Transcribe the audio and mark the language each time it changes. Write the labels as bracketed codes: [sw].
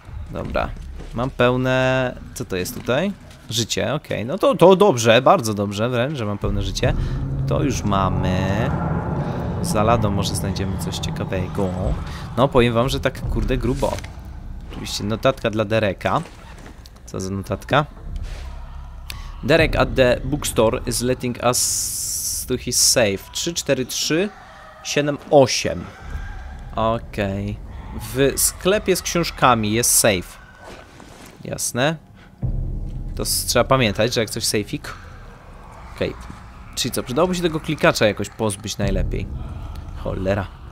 [pl] Dobra. Mam pełne... Co to jest tutaj? Życie, okej. No to dobrze, bardzo dobrze wręcz, że mam pełne życie. To już mamy. Za ladą może znajdziemy coś ciekawego. No, powiem wam, że tak kurde grubo. Oczywiście notatka dla Dereka. Co za notatka? [en] Derek at the bookstore is letting us to his safe. [pl] 34378. Okej. W sklepie z książkami jest safe. Jasne. To trzeba pamiętać, że jak coś sejfik. Okej. Czyli co, przydałoby się tego klikacza jakoś pozbyć najlepiej. Cholera.